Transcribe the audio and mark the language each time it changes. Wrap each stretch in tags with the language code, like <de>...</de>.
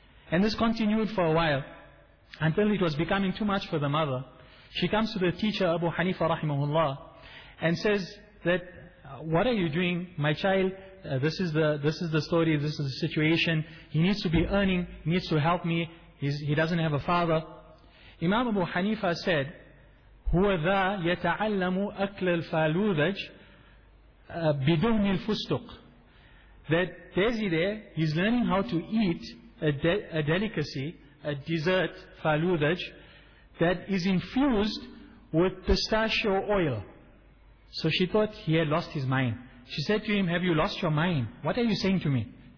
<en>And this continued for a while until it was becoming too much for the mother. She comes to the teacher Abu Hanifa rahimahullah and says that, what are you doing? My child, this is the story, this is the situation. He needs to be earning, he needs to help me. He doesn't have a father.</en> <ar>Imam Abu Hanifa said, هو ذا يتعلم أكل الفالوذج بدهن الفستق.</ar> <en>That there's he there, he's learning how to eat a delicacy, a dessert, فالوذج, that is infused with pistachio oil. So she thought he had lost his mind. She said to him, have you lost your mind? What are you saying to me?</en>